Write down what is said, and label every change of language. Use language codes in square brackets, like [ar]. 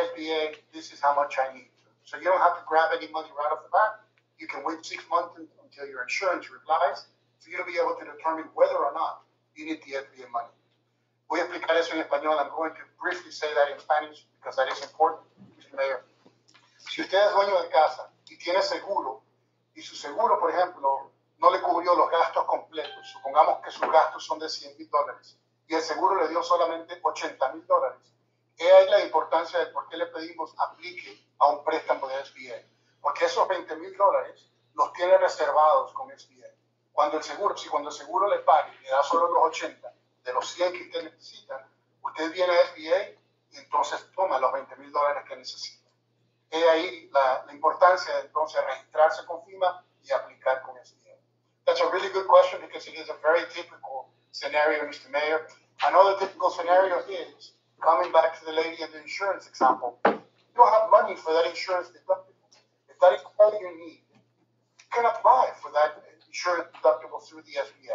[en] SBA, this is how much I need. So you don't have to grab any money right off the bat. You can wait 6 months until your insurance replies, for you to be able to determine whether or not you need the SBA money. [es] Voy a explicar eso en español. [en] I'm going to briefly say that in Spanish because that is important, Mr. Mayor. [es] Si usted es dueño de casa y tiene seguro, y su seguro, por ejemplo, no le cubrió los gastos completos, supongamos que sus gastos son de $100,000 y el seguro le dio solamente $80,000, ahí la importancia de por qué le pedimos aplique a un préstamo de SBA. Porque esos $20,000 los tiene reservados con SBA. Cuando el seguro le pague, le da solo los 80 de los 100 que usted necesita, usted viene a SBA y entonces toma los $20,000 que necesita. He ahí la importancia de entonces registrarse con FEMA y aplicar con ese dinero. [en] That's a really good question because it is a very typical scenario, Mr. Mayor. Another typical scenario is, coming back to the lady and the insurance example, you don't have money for that insurance deductible. If that is all you need, you can apply for that insurance deductible through the SBA.